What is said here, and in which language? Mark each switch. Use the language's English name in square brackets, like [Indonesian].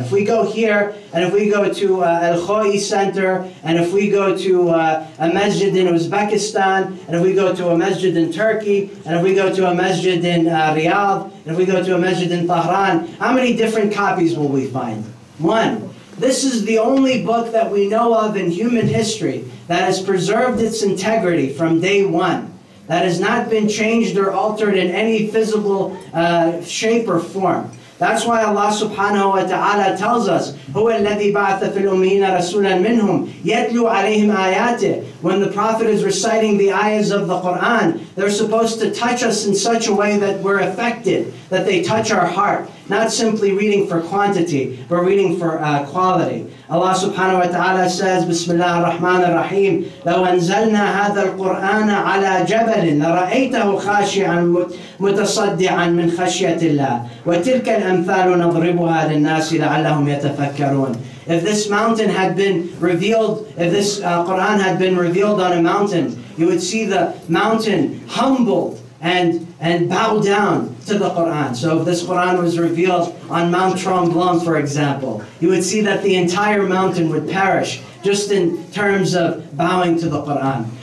[English] If we go here, and if we go to Al Khoi Center, and if we go to a masjid in Uzbekistan, and if we go to a masjid in Turkey, and if we go to a masjid in Riyadh, and if we go to a masjid in Tehran, how many different copies will we find? One. This is the only book that we know of in human history that has preserved its integrity from day one, that has not been changed or altered in any physical shape or form. That's why Allah subhanahu wa ta'ala tells us, [Arabic] هُوَ الَّذِي بَعْثَ فِي الْأُمِّيِّينَ رَسُولًا مِّنْهُمْ يَتْلُوا عَلَيْهِمْ آيَاتِهِ. [English] When the Prophet is reciting the ayahs of the Qur'an, they're supposed to touch us in such a way that we're affected, that they touch our heart. Not simply reading for quantity, but reading for quality. Allah subhanahu wa ta'ala says, [Arabic] Bismillah ar-Rahman ar-Rahim, لَوْ أَنزَلْنَا هَذَا الْقُرْآنَ عَلَى جَبَلٍ لَرَأَيْتَهُ خَاشِعًا مُتَصَدِّعًا مِنْ خَشْيَةِ اللَّهِ وَتِلْكَ الْأَمْثَالُ نَضْرِبُهَا لِلنَّاسِ لَعَلَّهُمْ يَتَفَكَّرُونَ. [English] If this mountain had been revealed, if this Qur'an had been revealed on a mountain, you would see the mountain humbled and bow down to the Qur'an. So if this Qur'an was revealed on Mount Tremblant, for example, you would see that the entire mountain would perish just in terms of bowing to the Qur'an.